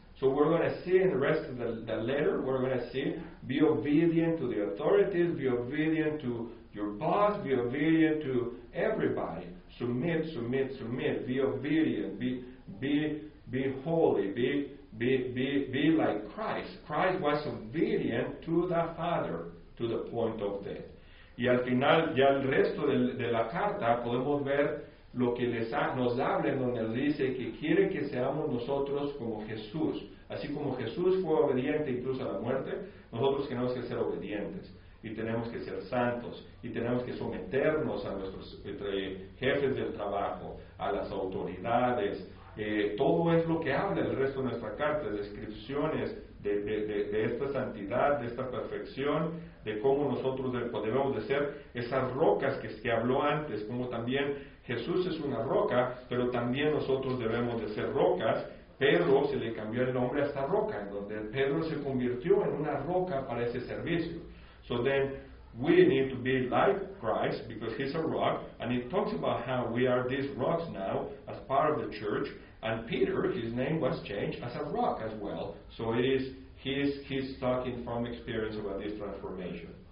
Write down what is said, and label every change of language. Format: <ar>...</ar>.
<en>So we're going to see in the rest of the letter, we're going to see, be obedient to the authorities, be obedient to your boss, be obedient to everybody. Submit, submit, submit, be obedient, be holy, be like Christ. Christ was obedient to the Father to the point of death.</en> <es>Y al final, ya el resto de la carta, podemos ver lo que nos habla, en donde dice que quiere que seamos nosotros como Jesús. Así como Jesús fue obediente incluso a la muerte, nosotros tenemos que ser obedientes, y tenemos que ser santos, y tenemos que someternos a nuestros jefes del trabajo, a las autoridades. Todo es lo que habla el resto de nuestra carta, descripciones de esta santidad, de esta perfección, de cómo nosotros debemos de ser esas rocas que habló antes, como también Jesús es una roca, pero también nosotros debemos de ser rocas. Pedro se le cambió el nombre a esta roca, en donde Pedro se convirtió en una roca para ese servicio.</es> <en>So then, we need to be like Christ, because he's a rock, and it talks about how we are these rocks now, as part of the church, and Peter, his name was changed as a rock as well. So it is, he's talking from experience about this transformation.</en>